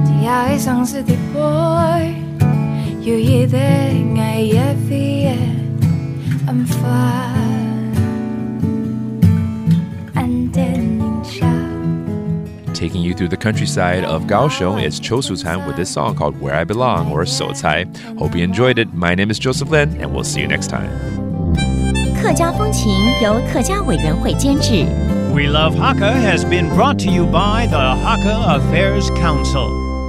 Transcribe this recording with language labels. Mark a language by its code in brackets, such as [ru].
[en] 爱上是的 boy， 有一点爱也比也安发，安定宁夏。 Taking you through the countryside of Kaohsiung is Chiu Shu Chan with this song called "Where I Belong" or "So Cai." Hope you enjoyed it. My name is Joseph Lin, and we'll see you next time. [zh] 客家风情由客家委员会监制。 [en] We Love Hakka has been brought to you by the Hakka Affairs Council.